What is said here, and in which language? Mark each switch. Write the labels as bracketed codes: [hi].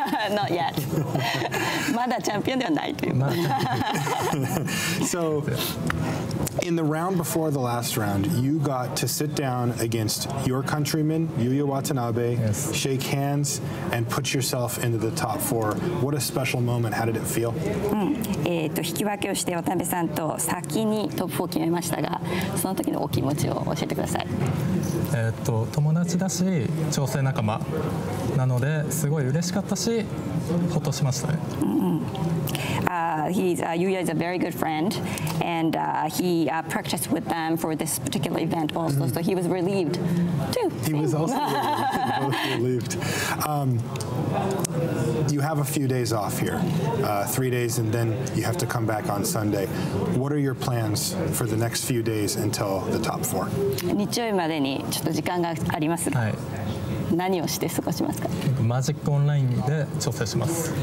[en] Not yet. [ja] Mada champion ではない。 [en] So in the round before the last round, you got to sit down against your countryman, Yuya Watanabe. Yes. Shake hands and put yourself into the top four. What a special moment. How did it feel? [ja] 引き分けをして渡辺さんと先にトップ4決めましたが、その時のお気持ちを教えてください。友達だし、調整仲間なのですごい嬉しかったし、ほっとしましたね。 [en] Yuya is a very good friend, and he practiced with them for this particular event also, mm-hmm. So he was relieved too. He was also relieved. You have a few days off here, 3 days, and then you have to come back on Sunday. What are your plans for the next few days until the top four? [ja] 日曜日までにちょっと時間がありますが。はい。何をして過ごしますか？マジックオンラインで調整します。